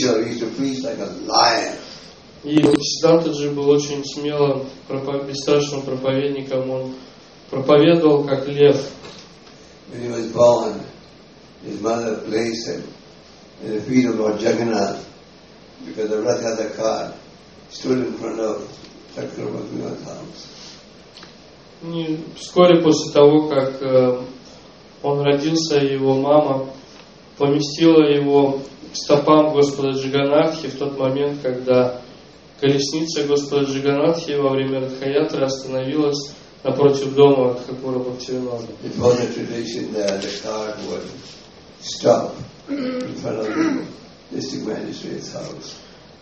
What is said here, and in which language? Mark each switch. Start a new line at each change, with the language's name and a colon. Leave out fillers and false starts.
Russian: И Бхактисиддханта Джи был очень смелым, бесстрашным проповедником. Он проповедовал как лев.
English: When he was born, his mother placed him in the feet of Lord Jagannath because the Ratha Kar stood in front of
Russian: И вскоре после того, как он родился, его мама поместила его к стопам Господа Джаганатхи в тот момент, когда колесница Господа Джаганатхи во время Радхаятры остановилась напротив дома Адхакура Бхактивинода.